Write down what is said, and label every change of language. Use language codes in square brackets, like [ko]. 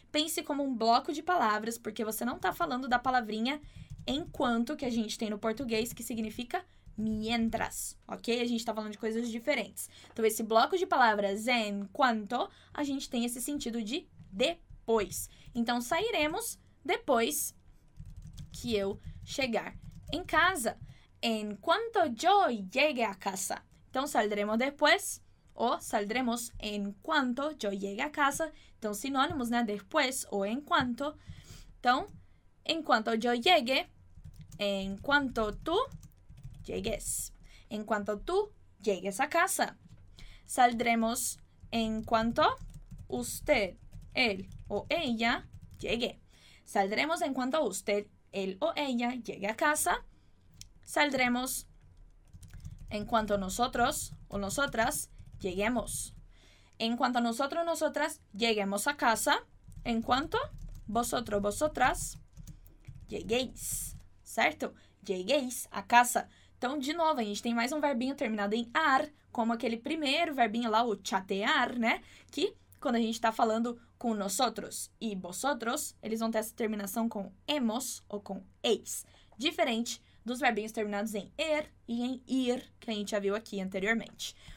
[pt] Pense como um bloco de palavras, porque você não está falando da palavrinha enquanto que a gente tem no português, que significa mientras, ok? A gente está falando de coisas diferentes. Então, esse bloco de palavras enquanto, a gente tem esse sentido de depois. Então, sairemos depois que eu chegar em casa. [es] en cuanto yo llegue a casa. Entonces saldremos después o saldremos en cuanto yo llegue a casa. Entonces sinónimos de después o en cuanto. Entonces, en cuanto yo llegue, en cuanto tú llegues. En cuanto tú llegues a casa. Saldremos en cuanto usted, él o ella llegue. Saldremos en cuanto usted, él o ella llegue a casa. Saldremos en cuanto nosotros o nosotras lleguemos. En cuanto nosotros o nosotras lleguemos a casa. En cuanto vosotros o vosotras lleguéis. [pt] Certo? [es] Lleguéis a casa. [pt] Então, de novo, a gente tem mais um verbinho terminado em ar, como aquele primeiro verbinho lá, o chatear, né? Que, quando a gente está falando com nosotros e vosotros, eles vão ter essa terminação com hemos ou com eis. Diferente dos verbinhos terminados em er e em ir, que a gente já viu aqui anteriormente.